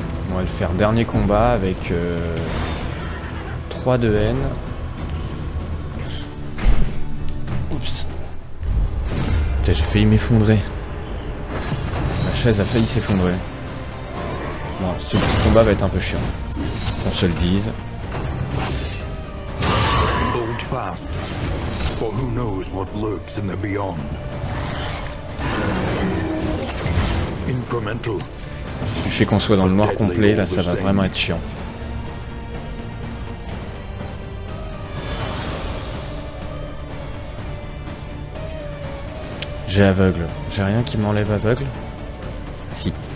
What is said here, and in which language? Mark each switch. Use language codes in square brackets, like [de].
[fr] On va le faire dernier combat avec 3 de haine. Oups. Putain, j'ai failli m'effondrer. La chaise a failli s'effondrer. Bon, ce petit combat va être un peu chiant. Qu'on se le dise. [en] Hold fast, for who knows what lurks in the beyond. Incremental. [fr] Du fait qu'on soit dans le noir complet, là ça va vraiment être chiant. J'ai aveugle. J'ai rien qui m'enlève aveugle. Si.